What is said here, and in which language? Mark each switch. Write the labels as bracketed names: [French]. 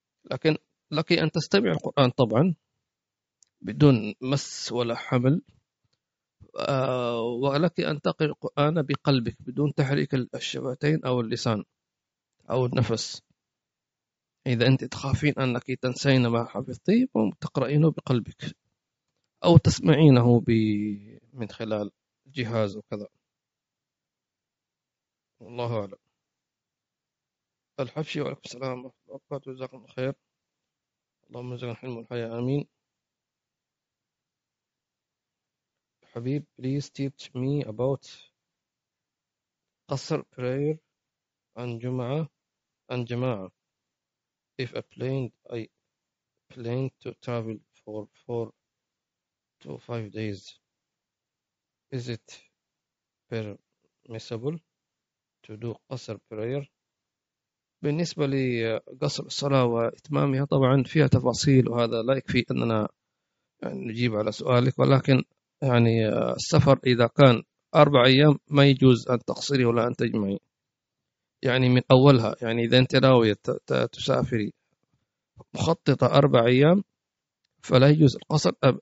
[Arabic] لكن لك أن تستمع القرآن طبعا بدون مس ولا حمل، ولك أن تقرأ القرآن بقلبك بدون تحريك الشفتين أو اللسان أو النفس، إذا أنت تخافين أنك تنسين ما حفظتي تقرأينه بقلبك أو تسمعينه من خلال جهاز وكذا. الله أعلم. الحبشي وعليكم السلام وبركاته، جزاكم الله خير، اللهم جزاكم حلم الحياة آمين. [English] Habib, please teach me about Qasr prayer and Jum'ah and Jama'ah. If I plan to travel for 4 to 5 days, is it permissible to do Qasr prayer? [Arabic] بالنسبة لقصر الصلاة وإتمامها طبعا فيها تفاصيل، وهذا لا يكفي أننا نجيب على سؤالك، ولكن يعني السفر إذا كان 4 أيام ما يجوز أن تقصري ولا أن تجمعي، يعني من أولها، يعني إذا أنت ناوية تسافري مخططة 4 أيام فلا يجوز القصر